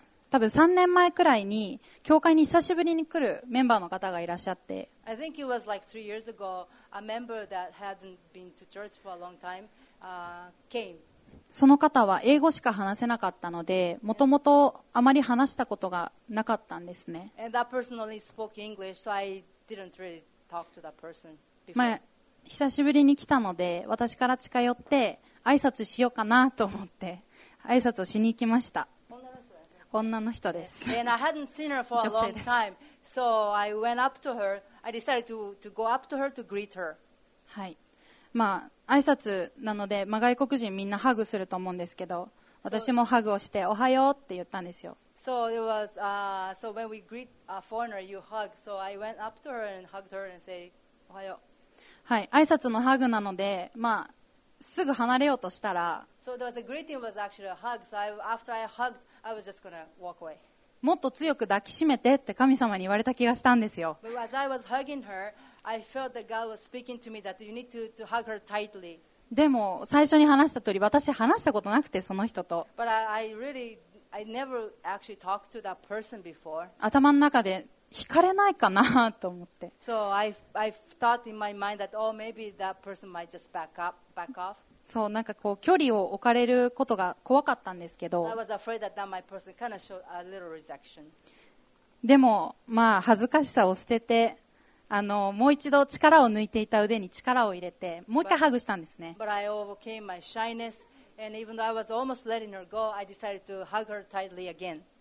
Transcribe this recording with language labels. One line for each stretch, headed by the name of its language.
Japanese: 多分3年前くらいに教会に久しぶりに来るメンバーの方がいらっしゃって、
English: I think it was like 3 years ago a member that hadn't been to church for a long time came.
Japanese: その方は英語しか話せなかったので、もともとあまり話したことがなかったんですね。
English: And that person only spoke English, so I didn't really talk to that person before.
Japanese: 久しぶりに来たので私から近寄って挨拶しようかなと思って挨拶をしに行きました。女の人です。
English: And I hadn't seen her for a long time, so I went up to her. I decided to go up to her to greet her.
Japanese: はい、まあ挨拶なので、まあ、外国人みんなハグすると思うんですけど、私もハグをしておはようって言ったんですよ。
English: So it was so when we greet a foreigner, you hug. So I went up to her and hugged her and say おはよう。
Japanese: はい、挨拶のハグなので、まあすぐ離れようとしたら、
English: So there was a greeting was actually a hug. So after I huggedI was just gonna walk away.
Japanese: もっと強く抱きしめてって神様に言われた気がしたんですよ。でも最初に話した通り私話したことなくて、その人と頭の中で惹かれないかなと思って、
English: so、I thought in my mind that, oh, maybe that person might just back off.
Japanese: そう、なんかこう距離を置かれることが怖かったんですけど、
English: so、that that kind of
Japanese: でも、まあ、恥ずかしさを捨てて、もう一度力を抜いていた腕に力を入れて、もう一回ハグしたんですね。
English: But I overcame my shyness, and even though I was almost letting her go, I decided to hug her tightly again.